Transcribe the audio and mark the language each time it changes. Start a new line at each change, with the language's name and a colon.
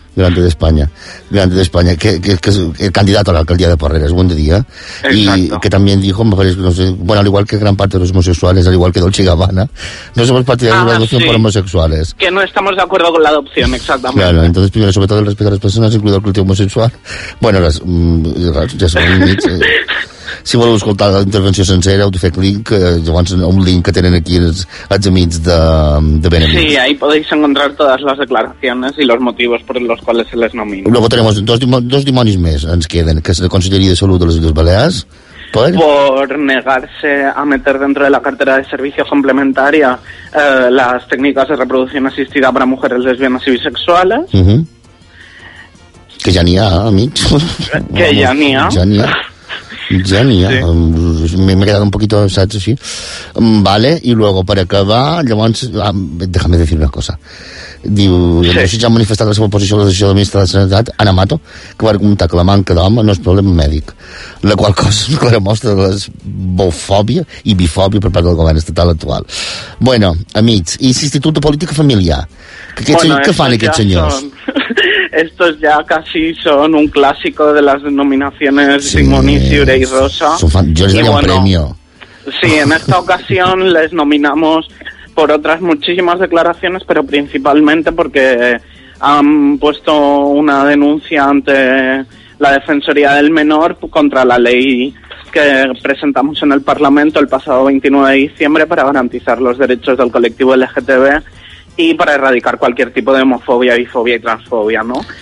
Spanish: Grande de España, que es el candidato a la alcaldía de Porreras, buen día. Exacto. Y que también dijo, no sé, bueno, al igual que gran parte de los homosexuales, al igual que Dolce y Gabbana, no somos partidarios de la adopción, sí, por homosexuales. Que no estamos de acuerdo con la adopción, exactamente. Claro, entonces primero, sobre todo el respeto a las personas, incluido el colectivo homosexual. Bueno, ya son límites.
Catalan: Si voleu escoltar la intervenció sencera, heu de fer clic, llavors un link que tenen aquí els amics de Benemit.
Spanish: Sí, ahí podéis encontrar todas las declaraciones y los motivos por los cuales se les nomina. Luego tenemos dos
Catalan: dimonis més, ens queden, que és la Conselleria de Salut de les Illes Balears.
Spanish: Por negarse a meter dentro de la cartera de servicio complementaria las técnicas de reproducción asistida para mujeres lesbianas y bisexuales.
Catalan: Que ja n'hi ha, amics. Que ja n'hi ha. Ja n'hi ha. Genia, sí. M'he quedat
Spanish: un poquito,
Catalan: saps, així. Vale, i luego, per acabar, llavors,
Spanish: déjame decir una cosa.
Catalan: Diu, llavors, sí, ja ha manifestat la seva oposició a la decisió del ministre de Sanitat, Ana Mato, que va argumentar que la manca d'home no és problema mèdic, la qual cosa és una clara mostra de bofòbia i bifòbia per part del govern estatal actual. Bueno, amics, i l'Institut de Política Familiar, què fan aquests senyors?
Spanish: Estos ya casi son un clásico de las denominaciones, sí, Simón y Ciure y Rosa. Yo les doy un premio. Sí, en esta ocasión les nominamos por otras muchísimas declaraciones, pero principalmente porque han puesto una denuncia ante la Defensoría del Menor contra la ley que presentamos en el Parlamento el pasado 29 de diciembre para garantizar los derechos del colectivo LGTB y para erradicar cualquier tipo de homofobia, bifobia y transfobia, ¿no?